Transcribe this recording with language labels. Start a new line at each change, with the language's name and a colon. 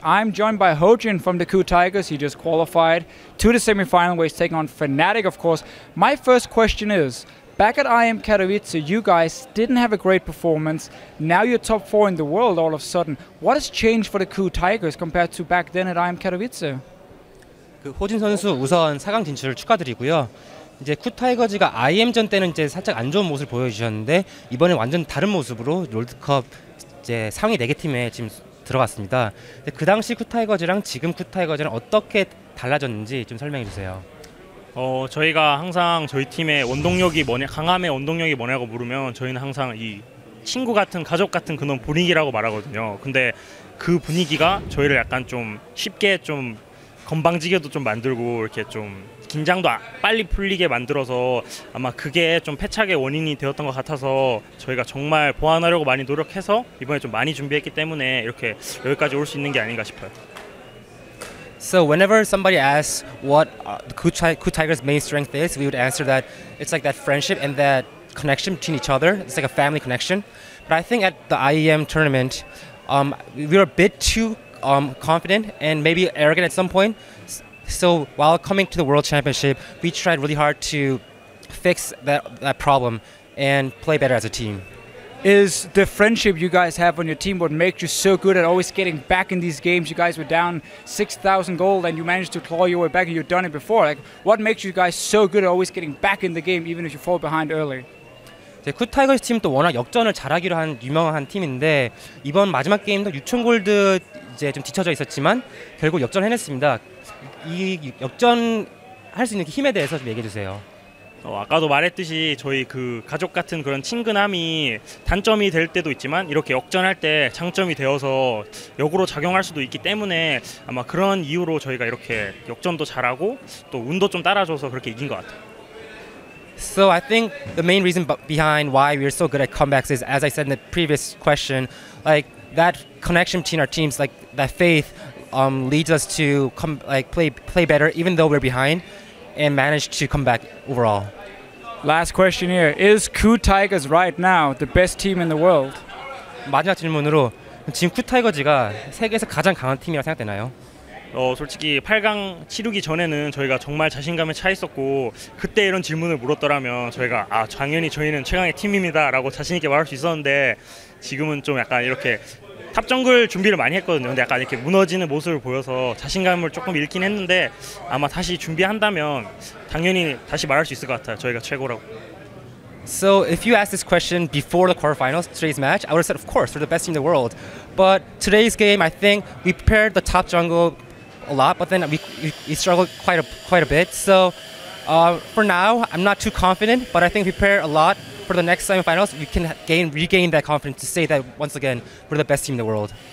English: I'm joined by Hojin from the KU Tigers. He just qualified to the semifinal where he's taking on Fnatic, of course. My first question is, back at IM Katowice, you guys didn't have a great performance. Now you're top four in the world all of a sudden. What has changed for the KU Tigers compared to back then at IM Katowice?
Korean: 호진 선수 우선 4강 진출을 축하드리고요. 이제 KU Tigers가 IM전 때는 이제 살짝 안 좋은 모습을 보여주셨는데 이번에 완전 다른 모습으로 롤드컵 이제 상위 4개 팀에 지금 들어갔습니다. 그 당시 쿠타이거즈랑 지금 쿠타이거즈는 어떻게 달라졌는지 좀 설명해 주세요. 저희가 항상 저희 팀의 원동력이 뭐냐, 강함의 원동력이 뭐냐고 물으면 저희는 항상 이 친구 같은 가족 같은 그런 분위기라고 말하거든요. 근데 그 분위기가 저희를 약간 좀 쉽게 좀 건방지게도 좀 만들고 이렇게 좀 긴장도 빨리 풀리게 만들어서 아마 그게 좀 패착의 원인이 되었던 것 같아서 저희가 정말 보완하려고 많이 노력해서 이번에 좀 많이 준비했기 때문에 이렇게 여기까지 올 수 있는 게 아닌가 싶어요.
English: So whenever somebody asks what the KU Tigers' main strength is, we would answer that it's like that friendship and that connection between each other. It's like a family connection. But I think at the IEM tournament, we were a bit too confident and maybe arrogant at some point. So while coming to the World Championship, we tried really hard to fix that problem and play better as a team. Is the friendship you guys have on your team what makes you so good at always getting back in these games? You guys were down 6,000 gold and you managed to claw your way back and you've done it before. Like, what makes you guys so good at always getting back in the game even if you fall behind early?
Korean: 네, 쿠 타이거스 팀도 워낙 역전을 잘하기로 한 유명한 팀인데 이번 마지막 게임도 6,000골드 이제 좀 뒤쳐져 있었지만 결국 역전을 해냈습니다. 이 역전할 수 있는 힘에 대해서 좀 얘기해 주세요. 아까도 말했듯이 저희 그 가족 같은 그런 친근함이 단점이 될 때도 있지만 이렇게 역전할 때 장점이 되어서 역으로 작용할 수도 있기 때문에 아마 그런 이유로 저희가 이렇게 역전도 잘하고 또 운도 좀 따라줘서 그렇게 이긴 것 같아요.
English: So I think the main reason behind why we're so good at comebacks is, as I said in the previous question, like that connection between our teams, like that faith, leads us to come, like play better even though we're behind, and manage to come back overall. Last question here: is KU Tigers right now the best team in the world?
Korean: 마지막 질문으로 지금 KU Tigers가 세계에서 가장 강한 팀이라고 생각되나요? 솔직히 8강 치르기 전에는 저희가 정말 자신감에 차 있었고 그때 이런 질문을 물었더라면 저희가 아 당연히 저희는 최강의 팀입니다 라고 자신 있게 말할 수 있었는데 지금은 좀 약간 이렇게 탑 정글 준비를 많이 했거든요 근데 약간 이렇게 무너지는 모습을 보여서 자신감을 조금 잃긴 했는데 아마 다시 준비한다면 당연히 다시 말할 수 있을 것 같아요 저희가 최고라고
English: So if you asked this question before the quarterfinals, today's match, I would have said of course we're the best team in the world but today's game I think we prepared the top jungle a lot, but then we struggled quite a bit. So for now, I'm not too confident, but I think if we prepare a lot for the next semifinals, we can regain that confidence to say that once again, we're the best team in the world.